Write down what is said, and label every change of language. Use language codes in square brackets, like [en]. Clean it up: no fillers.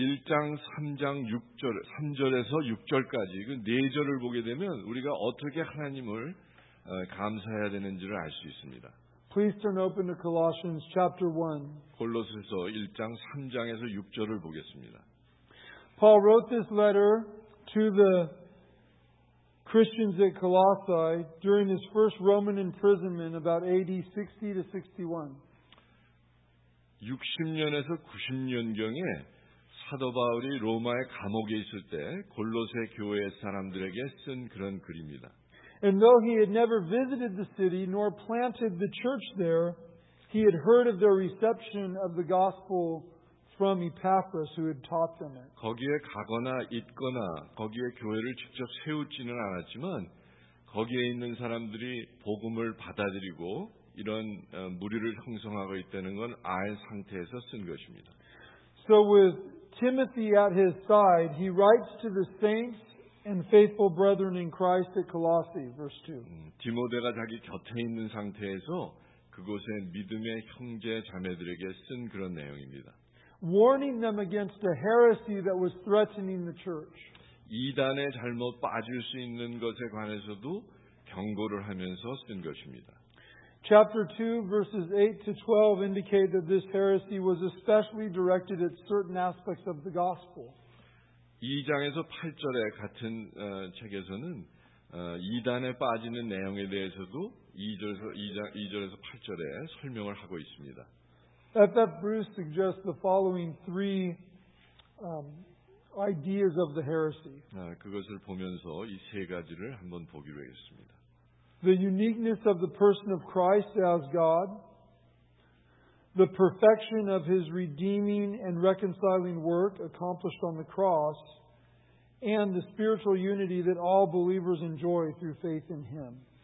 [ko] 1장 3장 6절, 3절에서 6절까지 그 네 절을 보게 되면 우리가 어떻게 하나님을 감사해야 되는지를 알 수 있습니다. [en] Please turn open to Colossians chapter 1. [ko] 골로새서 1장 3장에서 6절을 보겠습니다. [en] Paul wrote this letter to the Christians at Colossae during his first Roman imprisonment about AD 60 to 61. [ko] 60년에서 90년경에 사도 바울이 로마의 감옥에 있을 때 골로새 교회 사람들에게 쓴 그런 글입니다. [en] And though he had never visited the city nor planted the church there, he had heard of their reception of the gospel from Epaphras, who had taught them it. [ko] 거기에 가거나 있거나 거기에 교회를 직접 세우지는 않았지만 거기에 있는 사람들이 복음을 받아들이고 이런 무리를 형성하고 있다는 건 알 상태에서 쓴 것입니다. [en] So with Timothy at his side, he writes to the saints and faithful brethren in Christ at Colossae, verse 2. [ko] 디모데가 자기 곁에 있는 상태에서 그곳의 믿음의 형제 자매들에게 쓴 그런 내용입니다. [en] Warning them against a heresy that was threatening the church. [ko] 이단에 잘못 빠질 수 있는 것에 관해서도 경고를 하면서 쓴 것입니다. [en] Chapter 2, verses 8 to 12 indicate that this heresy was especially directed at certain aspects of the gospel. [ko] 2장에서 8절에 같은 책에서는 이단에 빠지는 내용에 대해서도 2절에서 8절에 설명을 하고 있습니다. [en] F.F. Bruce suggests the following three ideas of the heresy. [ko] 그것을 보면서 이 세 가지를 한번 보기로 했습니다. [en] The uniqueness of the person of Christ as God. The perfection of his redeeming and reconciling work accomplished on the cross, and the spiritual unity that all believers enjoy through faith in him.